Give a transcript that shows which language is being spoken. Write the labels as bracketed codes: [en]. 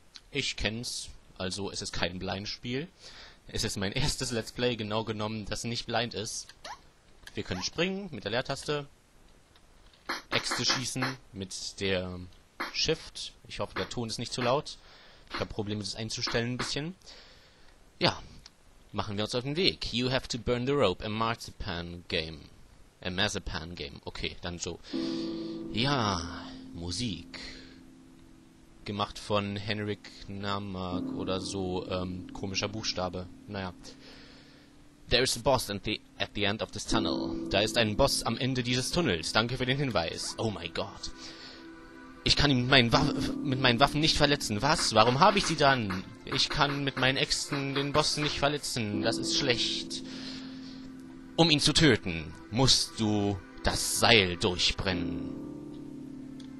[de] Ich kenn's, also es ist kein Blind-Spiel. Es ist mein erstes Let's Play, genau genommen, das nicht blind ist. Wir können springen mit der Leertaste. Äxte schießen mit der Shift. Ich hoffe, der Ton ist nicht zu laut. Ich habe Probleme, das einzustellen ein bisschen. Ja, machen wir uns auf den Weg. [en] You have to burn the rope. A Marzipan Game. A Marzipan Game. [de] Okay, dann so. Ja, Musik. Gemacht von Henrik Namark oder so. Komischer Buchstabe. Naja. [en] There is a boss at the end of this tunnel. [de] Da ist ein Boss am Ende dieses Tunnels. Danke für den Hinweis. Oh mein Gott. Ich kann ihn mit meinen Waffen nicht verletzen. Was? Warum habe ich sie dann? Ich kann mit meinen Äxten den Boss nicht verletzen. Das ist schlecht. Um ihn zu töten, musst du das Seil durchbrennen.